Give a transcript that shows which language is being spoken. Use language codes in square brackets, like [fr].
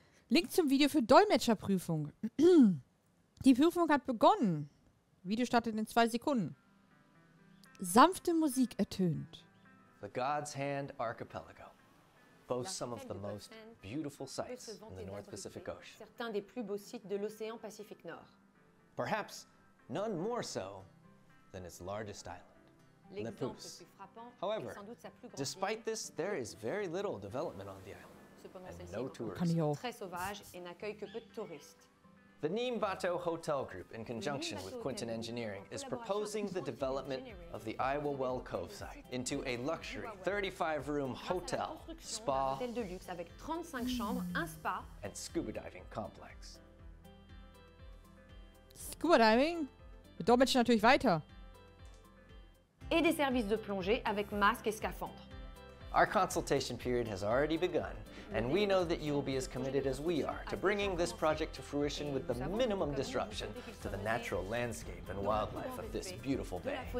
[de] Link zum Video für Dolmetscherprüfung. Die Prüfung hat begonnen. Video startet in 2 Sekunden. Sanfte Musik ertönt. [en] The God's Hand Archipelago. Boast some of the most beautiful sites in the North Pacific Ocean. [fr] Certains des plus beaux sites de l'océan Pacifique Nord. [en] Perhaps none more so than its largest island, Lapus. However, despite this, there is very little development on the island, and no tourism. [fr] Très sauvage et n'accueille que peu de touristes. [en] The Neem Bateau Hotel Group, in conjunction with Quinton Engineering, is proposing the development of the Iowa Well Cove site into a luxury 35-room hotel, spa, and scuba diving complex. [de] Scuba diving? Wir dolmetschen natürlich weiter. [fr] Et des services de plongée avec masque et scaphandre. [en] Our consultation period has already begun, and we know that you will be as committed as we are to bringing this project to fruition with the minimum disruption to the natural landscape and wildlife of this beautiful bay.